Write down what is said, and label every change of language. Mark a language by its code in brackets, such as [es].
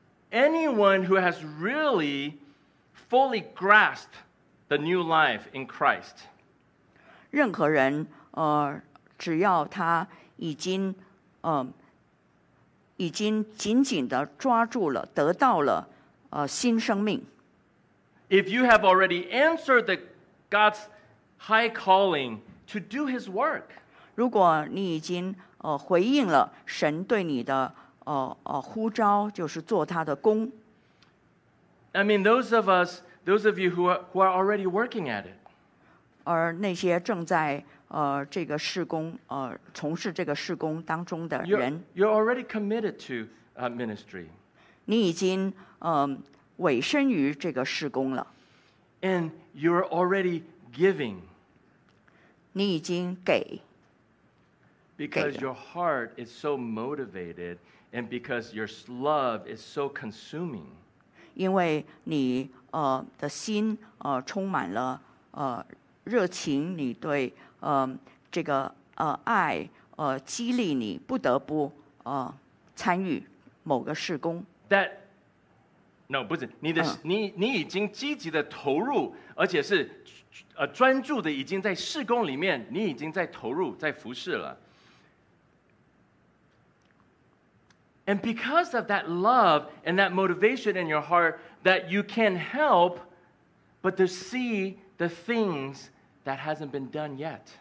[en] Anyone who has really fully grasped the new life in Christ [zh] 任何人只要他已经紧紧的抓住了，得到了新生命。 [en] If you have already answered the God's high calling to do His work, [zh] 如果你已经回应了神对你的呼召，就是做他的工。 [en] I mean, those of you who are already working at it, [zh] 而那些正在这个事工从事这个事工当中的人 [en] You're already committed to ministry [zh] 你已经委身于这个事工了 [en] And you're already giving [zh] 你已经给 [en] Because your heart is so motivated And because your love is so consuming [zh] 因为你的心充满了热情你对这个爱激励你不得不参与某个事工。 [en] That no [zh] 不是你的你已经积极的投入，而且是专注的已经在事工里面，你已经在投入在服事了。 [en] And because of that love and that motivation in your heart, that you can't help but to see the things that hasn't been done yet.